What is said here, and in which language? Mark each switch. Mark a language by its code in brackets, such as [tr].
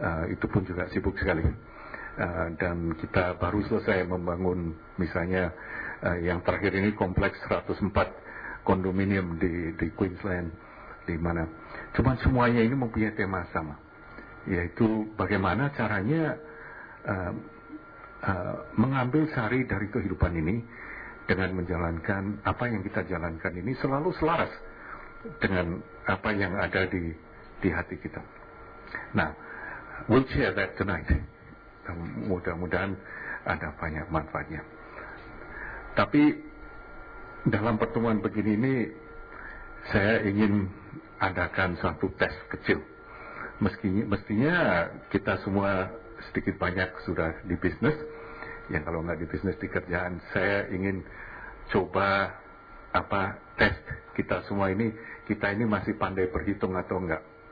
[id] Itu pun juga sibuk sekali. Dan kita baru selesai membangun misalnya yang terakhir ini kompleks 104 kondominium di Queensland, di mana cuman semuanya ini mempunyai tema sama, yaitu bagaimana caranya mengambil sari dari kehidupan ini dengan menjalankan apa yang kita jalankan ini selalu selaras dengan apa yang ada di hati kita. [en] Nah, we'll share that tonight. [id] Mudah-mudahan ada banyak manfaatnya. Tapi dalam pertemuan begini ini, saya ingin adakan satu tes kecil. Mestinya kita semua sedikit banyak sudah di bisnis, yang kalau nggak di bisnis di kerjaan, saya ingin coba apa tes kita semua ini, kita ini masih pandai berhitung atau enggak.